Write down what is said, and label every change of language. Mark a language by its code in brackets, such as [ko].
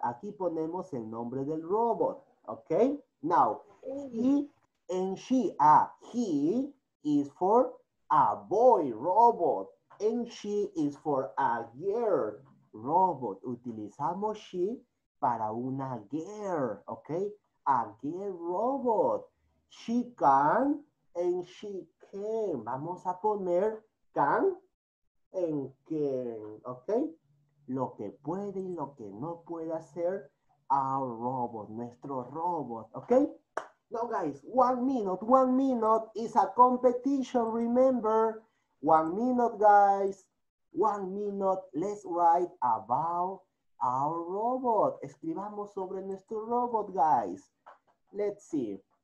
[es] Aquí ponemos el nombre del robot. [en] Okay, now, he and she, he is for a boy robot, and she is for a girl robot. [es] Utilizamos she para una [en] girl, [es] okay? [en] A girl robot. She can and she can. [es] Vamos a poner [en] can and can, [es] okay? Lo que puede y lo que no puede hacer [en] our robot, [es] nuestro robot, okay? [en] Now guys, 1 minute, 1 minute is a competition, remember? 1 minute, guys, 1 minute, let's write about our robot. [es] Escribamos sobre nuestro robot, [en] guys. Let's see.